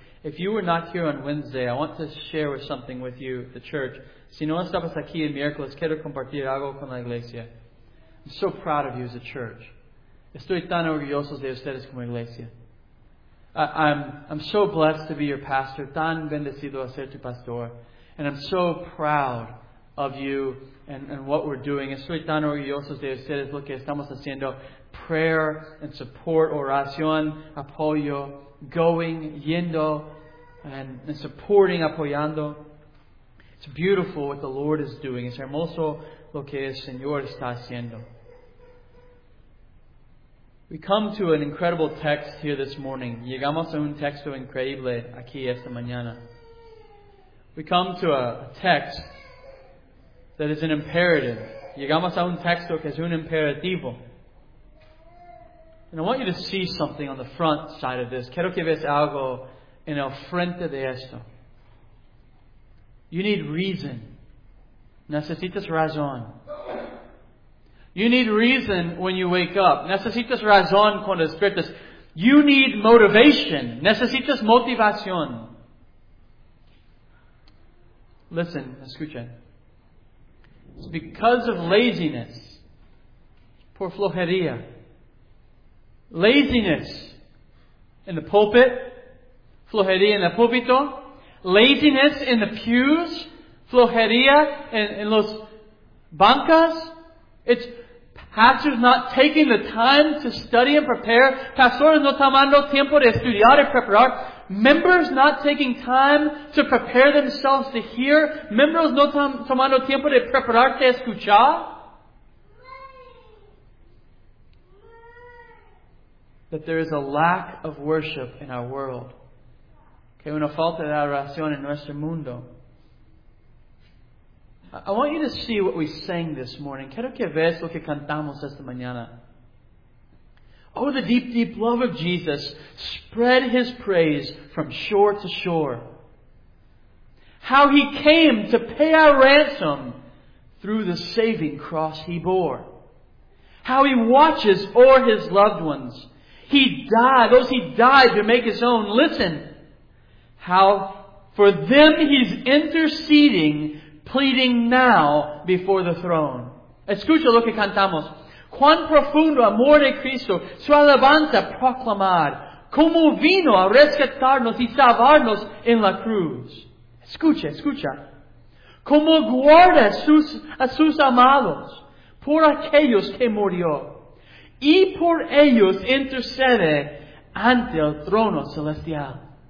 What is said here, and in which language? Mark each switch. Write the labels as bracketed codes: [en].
[en] If you were not here on Wednesday, I want to share something with you, the church. [es] Si no estabas aquí el miércoles, quiero compartir algo con la iglesia. [en] I'm so proud of you as a church. [es] Estoy tan orgulloso de ustedes como iglesia. [en] I'm so blessed to be your pastor, [es] tan bendecido a ser tu pastor, [en] and I'm so proud of you and what we're doing. [es] Estoy tan orgulloso de ustedes, lo que estamos haciendo. Prayer and support, oración, apoyo, going, yendo, and supporting, apoyando. [en] It's beautiful what the Lord is doing. [es] Es hermoso lo que el Señor está haciendo. [en] We come to an incredible text here this morning. [es] Llegamos a un texto increíble aquí esta mañana. [en] We come to a text that is an imperative. [es] Llegamos a un texto que es un imperativo. [en] And I want you to see something on the front side of this. [es] Quiero que veas algo en el frente de esto. [en] You need reason. [es] Necesitas razón. [en] You need reason when you wake up. [es] Necesitas razón cuando despiertas. [en] You need motivation. [es] Necesitas motivación. [en] Listen, [es] escuchen. [en] It's because of laziness. [es] Por flojería. [en] Laziness in the pulpit. [es] Flojería en el púlpito. [en] Laziness in the pews. [es] Flojería en los bancas. [en] It's pastors not taking the time to study and prepare. [es] Pastores no tomando tiempo de estudiar y preparar. [en] Members not taking time to prepare themselves to hear. [es] Members no tomando tiempo de prepararte a escuchar. [en] That there is a lack of worship in our world. [es] Que una falta de adoración en nuestro mundo. [en] I want you to see what we sang this morning. [es] Quiero que veas lo que cantamos esta mañana. [en] Oh, the deep, deep love of Jesus spread His praise from shore to shore. How He came to pay our ransom through the saving cross He bore. How He watches o'er His loved ones. He died, those He died to make His own. Listen, how for them He's interceding, pleading now before the throne. [es] Escucha lo que cantamos. Cuán profundo amor de Cristo, su alabanza proclamar, como vino a rescatarnos y salvarnos en la cruz. Escucha, escucha. Como guarda a sus amados por aquellos que murió y por ellos intercede ante el trono celestial.